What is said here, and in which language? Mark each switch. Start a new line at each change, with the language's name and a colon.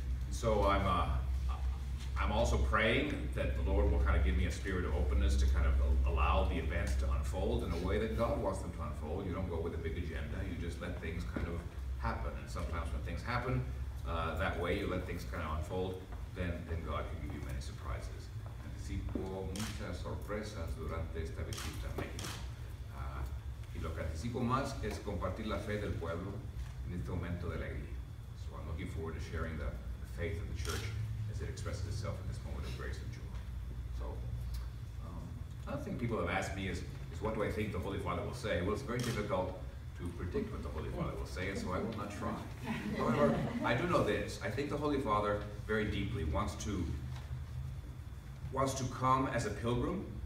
English: So I'm also praying that the Lord will kind of give me a spirit of openness to kind of allow the events to unfold in a way that God wants them to unfold. You don't go with a big agenda, you just let things kind of happen. And sometimes when things happen that way, you let things kind of unfold, then God can give you many surprises.
Spanish: Anticipo muchas sorpresas durante esta visita a México. Y lo que anticipo más es compartir la fe del pueblo en este momento de alegría.
English: So I'm looking forward to sharing the faith of the church as it expresses itself in this moment of grace and joy. So, another thing people have asked me is what do I think the Holy Father will say? Well, it's very difficult to predict what the Holy Father will say, and so I will not try. However, I do know this. I think the Holy Father very deeply wants to come as a pilgrim.